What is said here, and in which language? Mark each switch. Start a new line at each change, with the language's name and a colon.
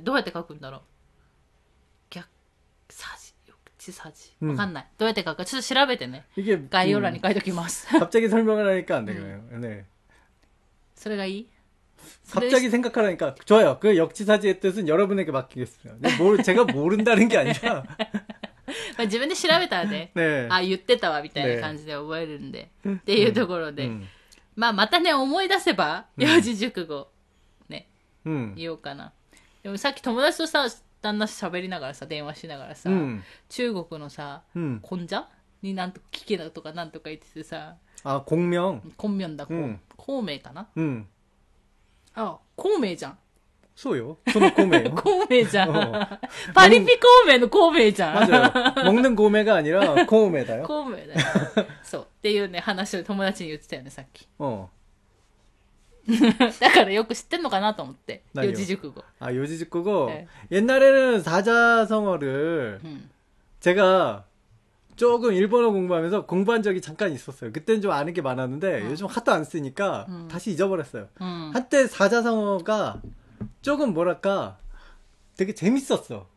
Japanese: どうやって書くんだろさじ、역지사지。わかんない。どうやって書くか。ちょっと調べてね。
Korean: 이게
Japanese: 概要欄に書いておきます。
Korean: 갑자기 설명을 하니까 안 되겠네요. 네.
Japanese: それがいい？それ
Korean: 갑자기 생각하라니까 좋아요. 그 역지사지의 뜻은 여러분에게 맡기겠습니다. 제가 모른다는 게 아니라
Japanese: まあ自分で調べたらね、あ、言ってたわ、みたいな感じで覚えるんで、っていうところで。まあ、またね、思い出せば、四字熟語、言おうかな。でもさっき友達とさ、旦那喋りながらさ、電話しながらさ、中国のさ、こんじゃになんとか聞けたとかなんとか言っててさ、
Korean: 아 공명
Japanese: 孔明だ、孔明かな？
Korean: 응
Japanese: あ、孔明じゃん。そうよ。その孔明よ。孔明じゃん。パリピ孔明の孔明じゃん。
Korean: 맞아요。 먹는 고메가 아니라 孔明だよ。
Japanese: 孔明だよ。そう。っていうね、話を友達に言ってたよね、さっき。だからよく知ってんのかなと思って。四字熟語。
Korean: 아 요지 직구고 옛날에는 사자성어를 제가 조금 일본어 공부하면서 공부한 적이 잠깐 있었어요. 그때는 좀 아는 게 많았는데 요즘 하도 안 쓰니까 다시 잊어버렸어요. 한때 사자성어가 조금 뭐랄까 되게 재밌었어.